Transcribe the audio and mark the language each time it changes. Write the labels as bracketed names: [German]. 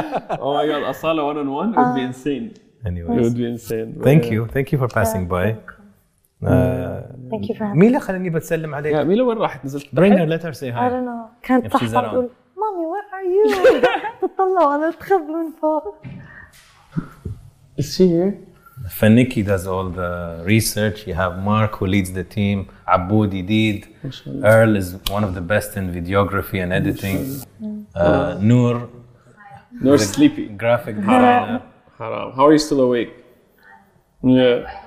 [English] oh my god أصالة one on one would be insane anyway would be insane thank you for passing by Thank you for having me. [Arabic] ميلا خليني بتسلم عليك. Yeah, ميلا وين راحت نزلت؟ [English] Bring her, let her say hi. I don't know. [Arabic] كانت تصحى تقول مامي [English] where are you؟ [Arabic] تطلع وأنا أتخب من فوق. [English] Is she here? Faniki does all the research. You have Mark who leads the team. Aboud Yedid. Earl is one of the best in videography and editing. Noor. Noor sleepy. Graphic. Haram. How are you still awake? Yeah.